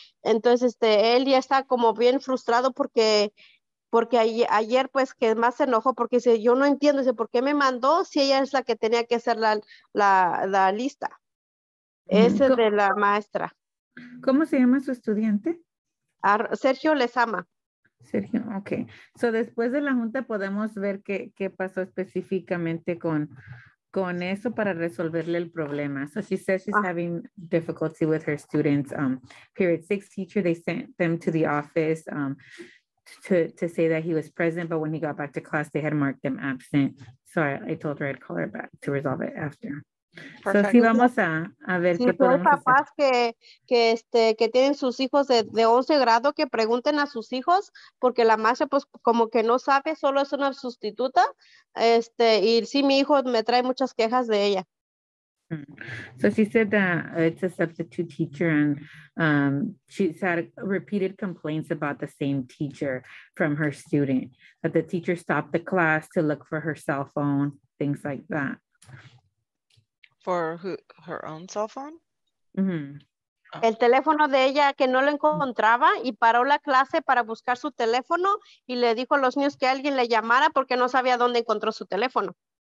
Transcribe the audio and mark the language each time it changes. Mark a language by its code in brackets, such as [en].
[es] Entonces él ya está como bien frustrado porque ayer pues que más se enojó porque dice, yo no entiendo, dice, ¿por qué me mandó si ella es la que tenía que hacer la lista? Ese de la maestra. ¿Cómo se llama su estudiante? Sergio Lezama. Sergio, ok. So, después de la junta podemos ver qué pasó específicamente con eso para resolverle el problema. [en] So she says she's having difficulty with her students. Period 6 teacher, they sent them to the office to say that he was present, but when he got back to class, they had marked them absent. So I told her I'd call her back to resolve it after. Perfecto. [es] So sí, vamos a ver qué podemos hacer. Si son papás que tienen sus hijos de 11 grado, que pregunten a sus hijos, porque la maestra pues como que no sabe, solo es una sustituta. Y sí, mi hijo me trae muchas quejas de ella. [en] So she said that it's a substitute teacher and she's had repeated complaints about the same teacher from her student, that the teacher stopped the class to look for her cell phone, things like that. For her own cell phone? Mm-hmm. [es] el teléfono de ella que no lo encontraba y paró la clase para buscar su teléfono y le dijo a los niños que alguien le llamara porque no sabía dónde encontró su teléfono.